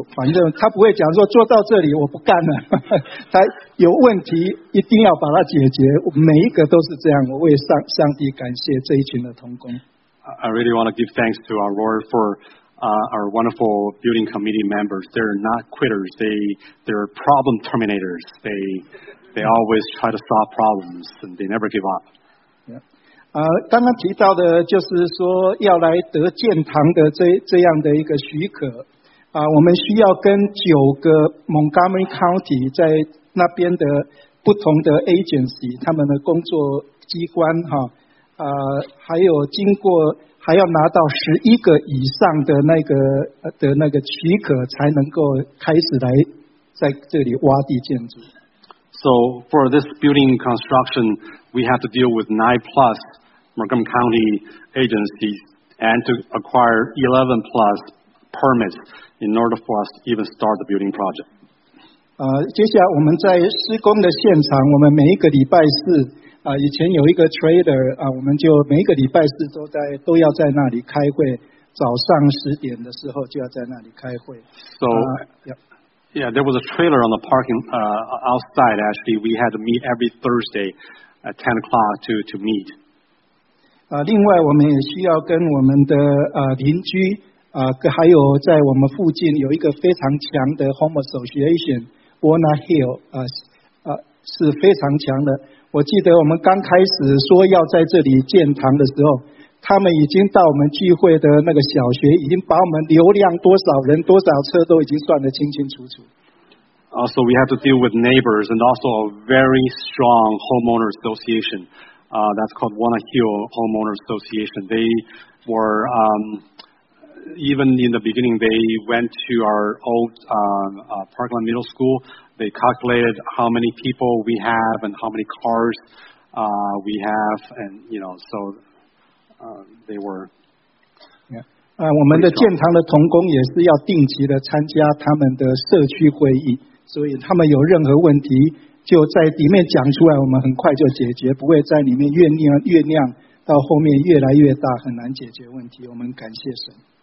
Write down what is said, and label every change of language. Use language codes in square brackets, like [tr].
[zh] 反正他不会讲说做到这里我不干了，他有问题一定要把它解决。每一个都是这样，我为上帝感谢这一群的同工。 [en] I really want to give thanks to our Lord for our wonderful building committee members. They're not quitters. They're problem terminators. They always try to solve problems and they never give up. [zh] 刚刚提到的就是说要来得建堂的 这样的一个许可、我们需要跟九个 Montgomery County 在那边的不同的 agency 他们的工作机关、还有经过还要拿到十一个以上的那个的那个许可才能够开始来在这里挖地建筑。 [en] So for this building construction we have to deal with 9 plusMontgomery County agencies and to acquire 11 plus permits in order for us to even start the building project. [zh] 接下来我们在施工的现场，我们每一个礼拜四，以前有一个 trader， 我们就每一个礼拜四都要在那里开会，早上十点的时候就要在那里开会。 [en] So,yeah, there was a trailer on the parking, outside actually. We had to meet every Thursday at 10 o'clock to meet. [zh] 另外我们也需要跟我们的邻居还有在我们附近有一个非常强的 Home Association Warner Hill 是非常强的。我记得我们刚开始说要在这里建堂的时候，他们已经到我们聚会的那个小学，已经把我们流量多少人多少车都已经算得清清楚楚。 [en] So we have to deal with neighbors and also a very strong homeowner associationthat's called Warner Hill Homeowner Association. They were, even in the beginning, they went to our old Parkland Middle School. They calculated how many people we have and how many cars we have. And, you know, so they were... Yeah. [zh] 我们的建堂的同工也是要定期的参加他们的社区会议。所以他们有任何问题就在里面讲出来，我们很快就解决，不会在里面越酿越酿，到后面越来越大，很难解决问题。我们感谢神。